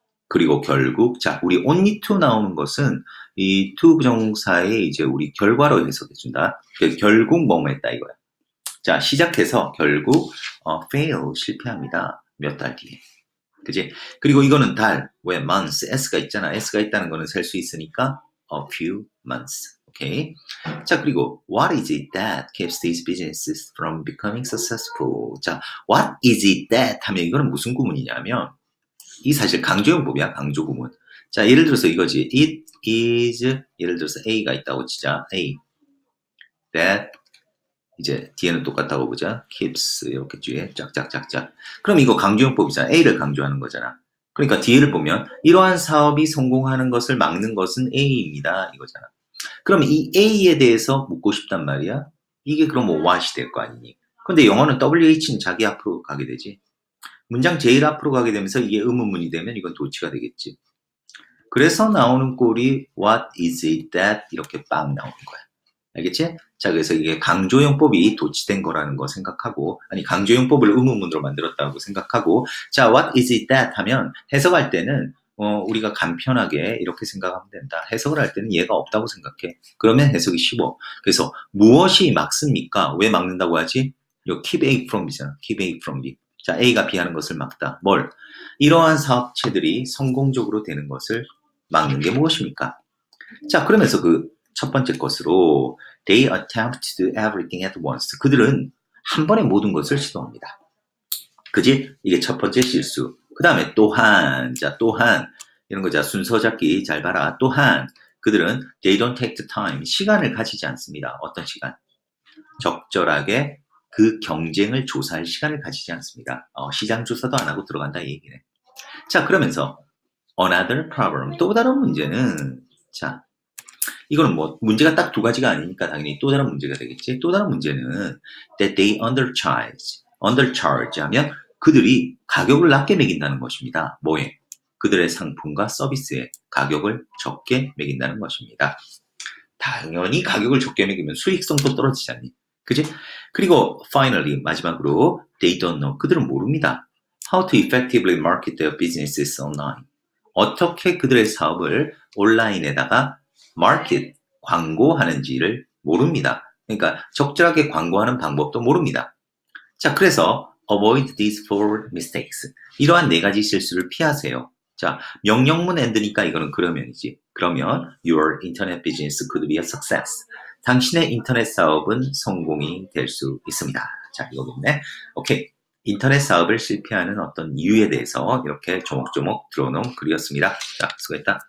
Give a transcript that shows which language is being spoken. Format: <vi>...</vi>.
<ko>그리고 결국, 자, 우리 only to 나오는 것은 이 to 부정사의 이제 우리 결과로 해석해 준다. 결국 뭐뭐 했다 이거야. 자, 시작해서 결국 fail 실패합니다. 몇달 뒤에. 그지? 그리고 이거는 달, 왜 months, s가 있잖아. s가 있다는 거는 셀수 있으니까 a few months. 오케이.</ko> <en>자, 그리고 what is it that keeps these businesses from becoming successful?</en> <ko>자,</ko> <en>what is it that</en> <ko>하면 이거는 무슨 구문이냐면 이 사실 강조형 법이야, 강조 구문. 자, 예를 들어서 이거지. It is, 예를 들어서 A가 있다고 치자. A. That, 이제 뒤에는 똑같다고 보자. Keeps, 이렇게 뒤에 쫙쫙쫙쫙. 그럼 이거 강조형 법이잖아. A를 강조하는 거잖아. 그러니까 뒤에를 보면, 이러한 사업이 성공하는 것을 막는 것은 A입니다. 이거잖아. 그럼 이 A에 대해서 묻고 싶단 말이야. 이게 그럼 뭐 what이 될거 아니니. 근데 영어는 WH는 자기 앞으로 가게 되지. 문장 제일 앞으로 가게 되면서 이게 의문문이 되면 이건 도치가 되겠지. 그래서 나오는 꼴이</ko> <en>What is it that?</en> <ko>이렇게 빵 나오는 거야. 알겠지? 자, 그래서 이게 강조용법이 도치된 거라는 거 생각하고, 아니, 강조용법을 의문문으로 만들었다고 생각하고, 자,</ko> <en>What is it that?</en> <ko>하면 해석할 때는, 우리가 간편하게 이렇게 생각하면 된다. 해석을 할 때는 얘가 없다고 생각해. 그러면 해석이 쉬워. 그래서 무엇이 막습니까? 왜 막는다고 하지? 요 keep A from이잖아.</ko> <en>keep A from B.</en> <ko>자, A가 B하는 것을 막다. 뭘? 이러한 사업체들이 성공적으로 되는 것을 막는 게 무엇입니까? 자, 그러면서 그첫 번째 것으로</ko> <en>They attempt to do everything at once.</en> <ko>그들은 한 번에 모든 것을 시도합니다. 그지? 이게 첫 번째 실수. 그 다음에 또한, 자, 또한 이런 거 자, 순서 잡기 잘 봐라. 또한 그들은</ko> <en>They don't take the time.</en> <ko>시간을 가지지 않습니다. 어떤 시간? 적절하게 그 경쟁을 조사할 시간을 가지지 않습니다. 시장 조사도 안 하고 들어간다 이 얘기네. 자, 그러면서</ko> <en>another problem,</en> <ko>또 다른 문제는 자, 이거는 뭐 문제가 딱두 가지가 아니니까 당연히 또 다른 문제가 되겠지. 또 다른 문제는</ko> <en>that they undercharge</en> <ko>하면 그들이 가격을 낮게 매긴다는 것입니다. 뭐에? 그들의 상품과 서비스에 가격을 적게 매긴다는 것입니다. 당연히 가격을 적게 매기면 수익성도 떨어지잖니. 그지? 그리고 finally 마지막으로</ko> <en>they don't know</en> <ko>그들은 모릅니다.</ko> <en>How to effectively market their businesses online?</en> <ko>어떻게 그들의 사업을 온라인에다가 market 광고하는지를 모릅니다. 그러니까 적절하게 광고하는 방법도 모릅니다. 자, 그래서</ko> <en>avoid these four mistakes.</en> <ko>이러한 네 가지 실수를 피하세요. 자, 명령문 end니까 이거는 그러면이지.</ko> <en>그러면 your internet business could be a success.</en> <ko>당신의 인터넷 사업은 성공이 될수 있습니다. 자, 읽어보네. 오케이. 인터넷 사업을 실패하는 어떤 이유에 대해서 이렇게 조목조목 들어놓은 글이었습니다. 자, 수고했다.</ko>